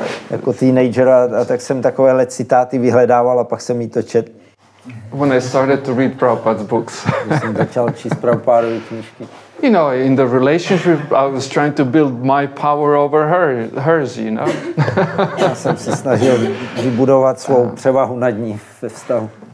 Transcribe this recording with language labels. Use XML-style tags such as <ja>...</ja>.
<cs>Jako teenager, a tak jsem takovéhle citáty vyhledával a pak jsem jí to čet.</cs> <en>When I started to read Prabhupada's books.</en> <cs>Jsem začal číst Prabhupádovy knížky.</cs> <en>You know, in the relationship, I was trying to build my power over hers, you know.</en> <cs>Já jsem se snažil vybudovat svou převahu nad ní ve vztahu.</cs>